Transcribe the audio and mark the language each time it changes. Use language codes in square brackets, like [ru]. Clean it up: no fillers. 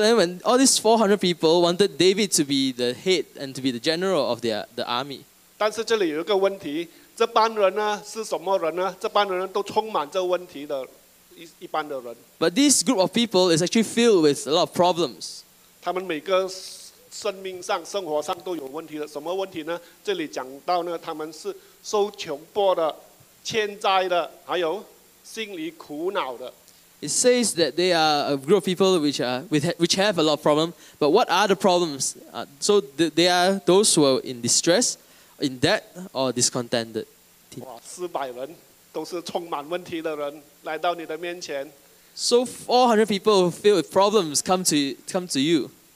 [en] then when all these 400 people wanted David to be the head and to be the general of the army. [zh] 但是这里有一个问题。这帮人呢是什么人呢？这帮人都充满着问题的，一般的人。 [en] But this group of people is actually filled with a lot of problems. [zh] 他们每个生命上、生活上都有问题的。什么问题呢？这里讲到呢，他们是受穷迫的、欠债的，还有心里苦恼的。 [en] It says that they are a group of people which have a lot of problems. But what are the problems? So they are those who are in distress, in debt, or discontented. [zh] 哇，400人都是充满问题的人来到你的面前。 [en] So 400 people filled with problems come to you.